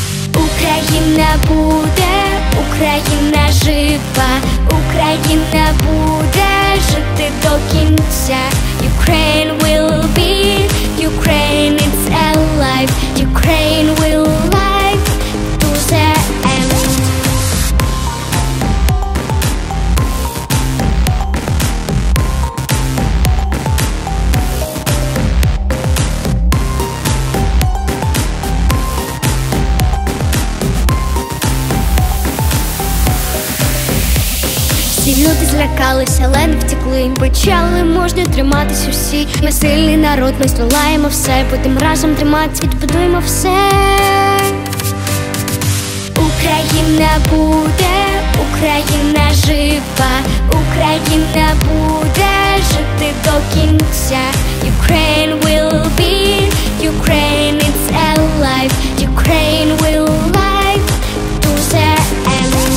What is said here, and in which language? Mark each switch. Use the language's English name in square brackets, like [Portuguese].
[Ukrainian] Україна буде, Україна жива, Україна буде жити до кінця. [English] Ukraine will be, Ukraine it's alive, Ukraine will live to the end. [Ukrainian] Всі люди злякалися, але не втекли. Почали можна триматись усі. Ми сильний народ, ми здолаємо все. Будем разом триматись, відбудуємо все. Україна буде, Україна жива, Україна буде жити до кінця. [English] Ukraine will be, Ukraine it's alive, Ukraine will live to the end.